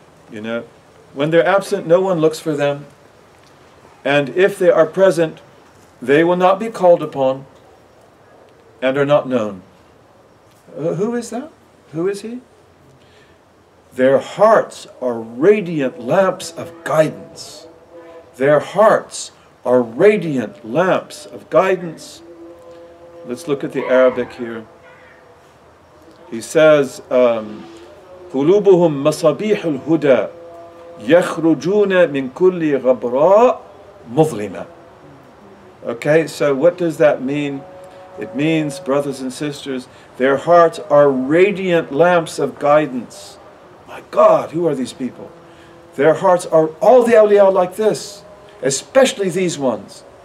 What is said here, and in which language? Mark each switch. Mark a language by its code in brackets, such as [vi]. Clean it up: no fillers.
[en] You know, when they're absent, no one looks for them. And if they are present, they will not be called upon and are not known. Who is that? Who is he? Their hearts are radiant lamps of guidance. Their hearts are radiant lamps of guidance. Let's look at the Arabic here. He says, [ar] قُلُوبُهُمْ مَصَبِيحُ الْهُدَى يَخْرُجُونَ مِنْ كُلِّ غَبْرَاءٍ مُظْلِمًا. [en] Okay, so what does that mean? It means, brothers and sisters, their hearts are radiant lamps of guidance. My God, who are these people? Their hearts are, all the awliya are like this, especially these ones.